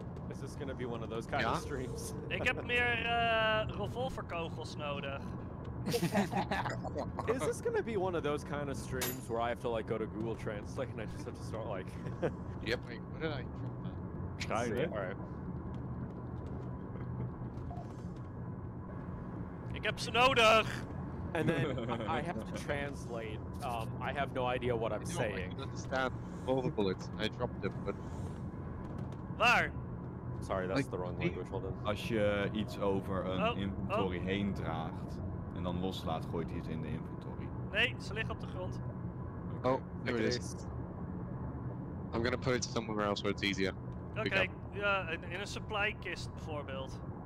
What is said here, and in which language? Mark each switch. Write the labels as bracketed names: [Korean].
[English] Is this gonna be one of those kind of streams? [Dutch] Ik heb meer revolverkogels nodig. [English] Is this gonna be one of those kind of streams where I have to like go to Google Translate and I just have to start like... Yep. Wait, what did I... Try it. Alright. [Dutch] Ik heb ze nodig! [English] And then I have to translate. I have no idea what I'm saying. I don't understand all the bullets. I dropped them, but... [Dutch] Waar? [English] Sorry, that's like, the wrong language, hold on. [Dutch] Als je iets over een inventory heen draagt... En dan loslaat, gooit hij het in de inventory. Nee, ze liggen op de grond. [English] Okay. Oh, there it is. I'm gonna put it somewhere else where it's easier. [Dutch] Okay, ja, in een supply kist bijvoorbeeld.